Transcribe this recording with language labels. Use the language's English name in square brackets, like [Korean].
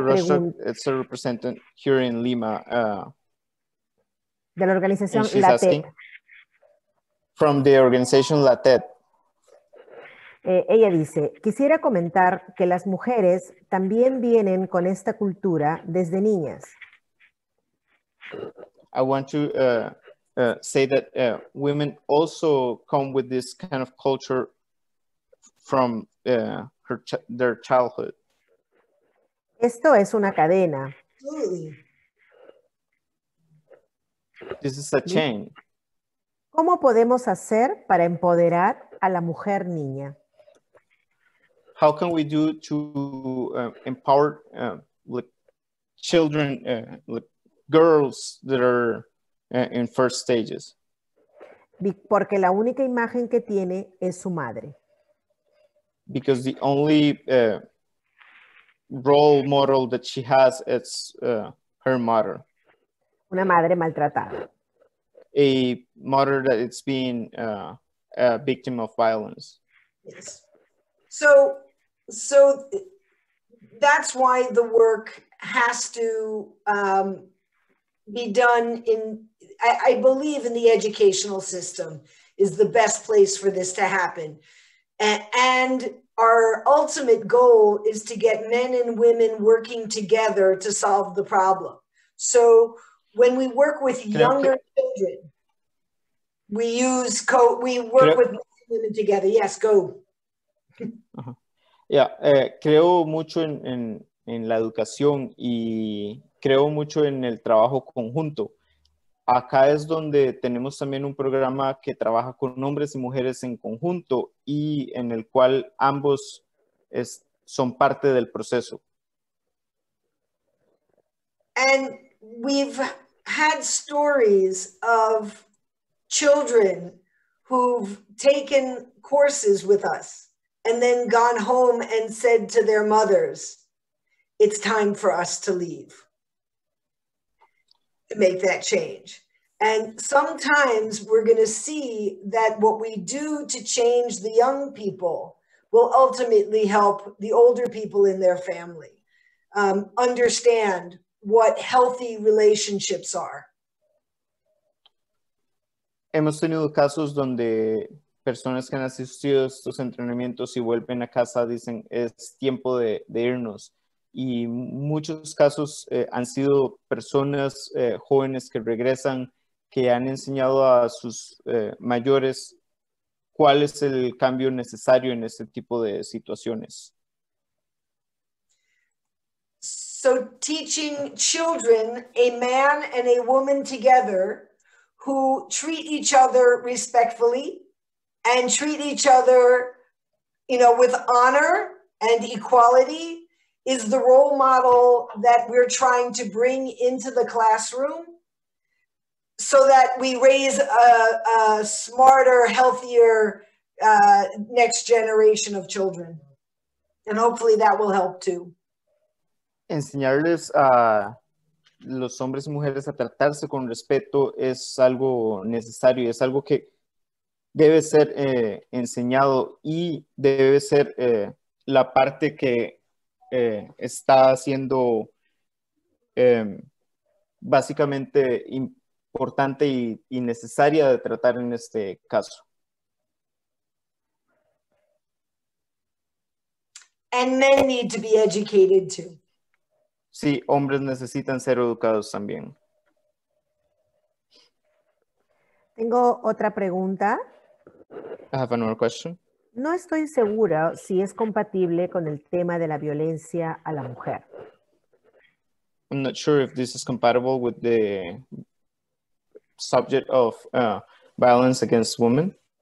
[Spanish] Carla Rostock es la representante [English] here in Lima. [Spanish] De la organización LATET. [English] From the organization LATET. [Spanish] Ella dice, quisiera comentar que las mujeres también vienen con esta cultura desde niñas. [English] I want to say that women also come with this kind of culture from their childhood. [Spanish] Esto es una cadena. [English] This is a chain. [Spanish] ¿Cómo podemos hacer para empoderar a la mujer niña? [English] How can we do to empower like children, like girls that are in first stages? [Spanish] Porque la única imagen que tiene es su madre. [English] Because the only role model that she has is her mother. [Spanish] Una madre maltratada. [English] A mother that is being a victim of violence. Yes. So that's why the work has to be done in, I believe in the educational system is the best place for this to happen. And our ultimate goal is to get men and women working together to solve the problem. So when we work with younger children, we work with men and women together. Yes, go. [Spanish] Yeah, creo mucho en la educación y creo mucho en el trabajo conjunto. Acá es donde tenemos también un programa que trabaja con hombres y mujeres en conjunto y en el cual ambos son parte del proceso. [English] And we've had stories of children who've taken courses with us. And then gone home and said to their mothers, it's time for us to leave. To make that change. And sometimes we're going to see that what we do to change the young people will ultimately help the older people in their family understand what healthy relationships are. [Spanish] Hemos tenido casos donde personas que han asistido a estos entrenamientos y vuelven a casa dicen es tiempo de irnos. Y muchos casos han sido personas jóvenes que regresan, que han enseñado a sus mayores cuál es el cambio necesario en este tipo de situaciones. [English] So teaching children, a man and a woman together, who treat each other respectfully, and treat each other, you know, with honor and equality is the role model that we're trying to bring into the classroom so that we raise a smarter, healthier next generation of children. And hopefully that will help too. [Spanish] Enseñarles a los hombres y mujeres a tratarse con respeto es algo necesario, es algo que debe ser enseñado y debe ser la parte que está siendo básicamente importante y necesaria de tratar en este caso. [English] And men need to be educated too. [Spanish] Sí, hombres necesitan ser educados también. Tengo otra pregunta. [English] I have another question. [Spanish] No estoy segura si es compatible con el tema de la violencia a la mujer. [English] I'm not sure if this is compatible with the subject of violence against women.